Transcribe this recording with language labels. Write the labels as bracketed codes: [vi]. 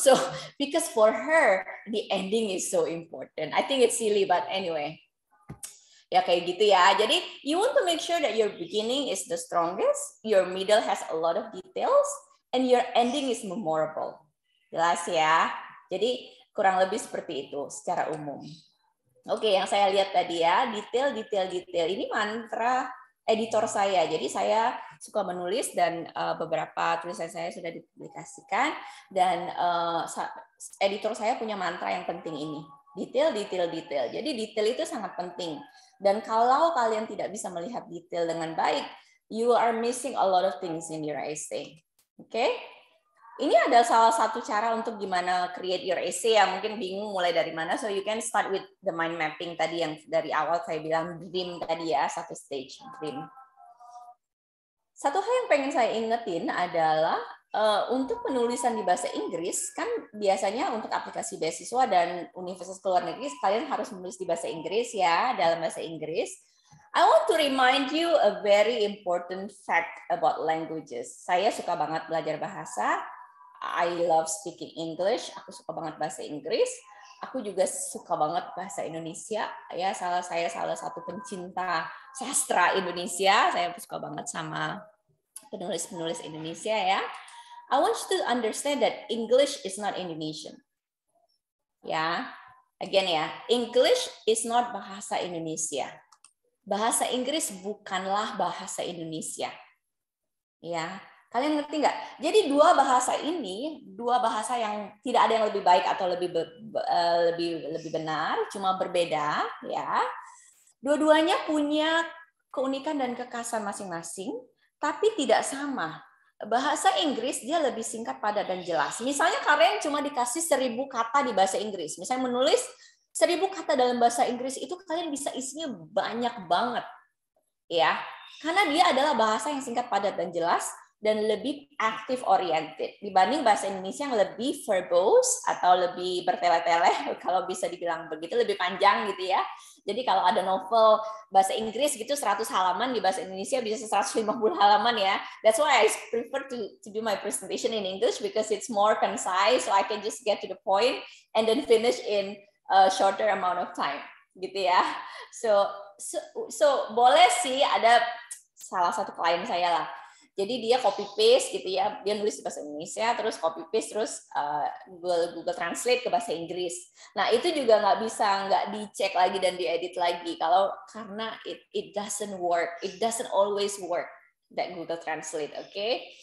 [en] So, because for her, the ending is so important. I think it's silly, but anyway. Ya kayak gitu ya. Jadi you want to make sure that your beginning is the strongest, your middle has a lot of details, and your ending is memorable. [id] Jelas ya. Jadi kurang lebih seperti itu secara umum. Oke, yang saya lihat tadi ya, detail. Ini mantra editor saya. Jadi saya suka menulis dan beberapa tulisan saya sudah dipublikasikan. Dan editor saya punya mantra yang penting ini. Detail. Jadi detail itu sangat penting. Dan kalau kalian tidak bisa melihat detail dengan baik, you are missing a lot of things in your essay. Okay? Ini adalah salah satu cara untuk gimana create your essay ya. Mungkin bingung mulai dari mana. So you can start with the mind mapping tadi yang dari awal saya bilang dream tadi ya, satu stage dream. Satu hal yang pengen saya ingetin adalah untuk penulisan di bahasa Inggris, kan biasanya untuk aplikasi beasiswa dan universitas luar negeri, kalian harus menulis di bahasa Inggris ya, dalam bahasa Inggris. [en] I want to remind you a very important fact about languages. [id] Saya suka banget belajar bahasa. I love speaking English. Aku suka banget bahasa Inggris. Aku juga suka banget bahasa Indonesia. Ya, salah satu pencinta sastra Indonesia. Saya suka banget sama penulis-penulis Indonesia ya. [en] I want you to understand that English is not Indonesian. Ya. Again ya, English is not bahasa Indonesia. [id] Bahasa Inggris bukanlah bahasa Indonesia. Ya. Kalian ngerti enggak? Jadi dua bahasa ini, dua bahasa yang tidak ada yang lebih baik atau lebih benar, cuma berbeda, ya. Dua-duanya punya keunikan dan kekhasan masing-masing, tapi tidak sama. Bahasa Inggris dia lebih singkat, padat, dan jelas. Misalnya kalian cuma dikasih 1000 kata di bahasa Inggris. Misalnya menulis 1000 kata dalam bahasa Inggris itu kalian bisa isinya banyak banget. Ya. Karena dia adalah bahasa yang singkat, padat, dan jelas dan lebih active oriented dibanding bahasa Indonesia yang lebih verbose atau lebih bertele-tele, kalau bisa dibilang begitu, lebih panjang gitu ya. Jadi kalau ada novel bahasa Inggris gitu 100 halaman, di bahasa Indonesia bisa 150 halaman ya. [en] That's why I prefer to do my presentation in English because it's more concise, so I can just get to the point and then finish in a shorter amount of time gitu ya. [id] So boleh sih, ada salah satu klien saya lah. Jadi dia copy paste gitu ya, dia nulis di bahasa Indonesia, terus copy paste, terus Google Translate ke bahasa Inggris. Nah itu juga nggak bisa nggak dicek lagi dan diedit lagi, kalau karena it doesn't work, it doesn't always work that Google Translate, okay?